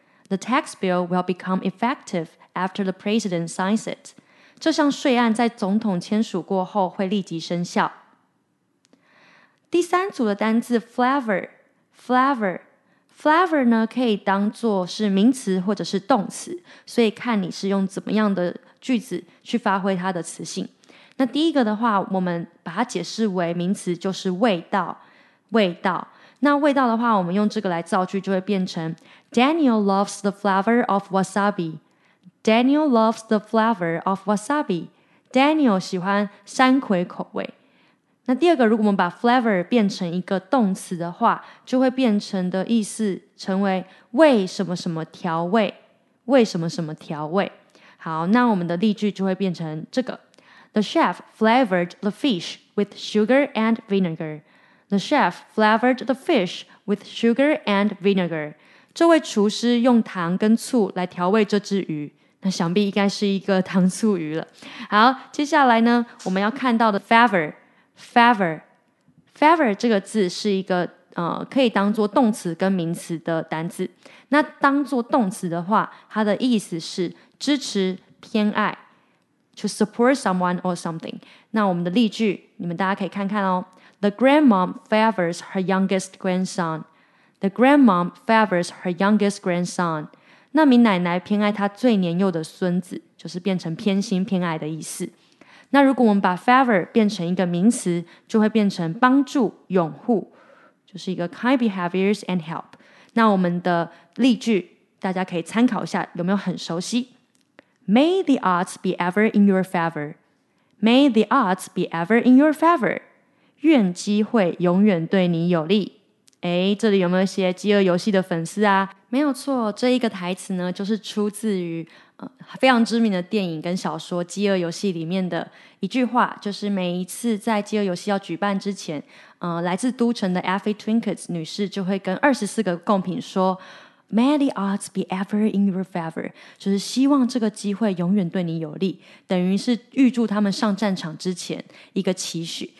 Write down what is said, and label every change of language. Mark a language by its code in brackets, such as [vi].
[en] The tax bill will become effective after the president signs it. [zh] 这项税案在总统签署过后会立即生效。第三组的单字 flavor 呢可以当作是名词或者是动词，所以看你是用怎么样的句子去发挥它的词性。那第一个的话，我们把它解释为名词，就是味道。那味道的话，我们用这个来造句就会变成 [en] Daniel loves the flavor of wasabi。 Daniel loves the flavor of wasabi。 Daniel [zh] 喜欢山葵口味。那第二个，如果我们把 flavor 变成一个动词的话，就会变成的意思成为为什么什么调味，为什么什么调味。好，那我们的例句就会变成这个 [en] The chef flavored the fish with sugar and vinegar. The chef flavored the fish with sugar and vinegar. [zh] 这位厨师用糖跟醋来调味这只鱼，那想必应该是一个糖醋鱼了。好，接下来呢，我们要看到的 favor 这个字是一个可以当作动词跟名词的单字。那当作动词的话，它的意思是支持、偏爱 ， [en] to support someone or something。 [zh] 那我们的例句，你们大家可以看看哦。 [en] The grandmom favors her youngest grandson. The grandmom favors her youngest grandson. [zh] 那名奶奶偏爱她最年幼的孙子，就是变成偏心、偏爱的意思。那如果我们把 favor 变成一个名词，就会变成帮助、拥护，就是一个 [en] kind behaviors and help。 [zh] 那我们的例句，大家可以参考一下，有没有很熟悉 ？ [en] May the odds be ever in your favor. May the odds be ever in your favor. [zh] 愿机会永远对你有利。哎，这里有没有一些饥饿游戏的粉丝啊？没有错，这一个台词呢，就是出自于非常知名的电影跟小说《饥饿游戏》里面的一句话，就是每一次在《饥饿游戏》要举办之前，来自都城的 Effie Twinkets 女士就会跟24个贡品说 ： [en] “May the odds be ever in your favor”， [zh] 就是希望这个机会永远对你有利，等于是预祝他们上战场之前一个期许。